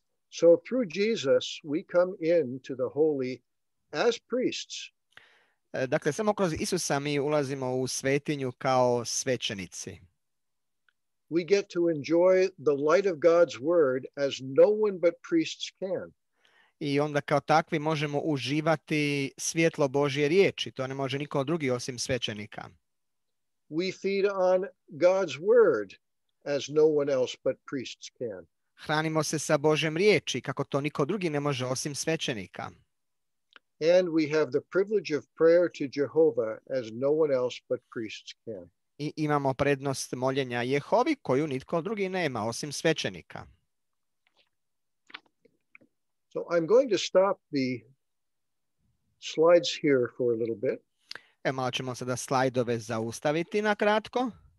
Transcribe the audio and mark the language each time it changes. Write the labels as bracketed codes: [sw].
[en] So through Jesus we come in to the holy as priests. [hr] Dakle, samo kroz Isusa mi ulazimo u svetinju kao svećenici. [en] We get to enjoy the light of God's word as no one but priests can. [hr] I onda kao takvi možemo uživati svjetlo Božje riječi. To ne može niko drugi osim svećenika. [en] We feed on God's word as no one else but priests can. [hr] Hranimo se sa Božjom riječi kako to niko drugi ne može osim svećenika. [en] And we have the privilege of prayer to Jehovah as no one else but priests can. [hr] I imamo prednost moljenja Jehovi koju nitko drugi nema osim svećenika. [en] So I'm going to stop the slides here for a little bit. [hr] E, malo ćemo sada slajdove zaustaviti na kratko.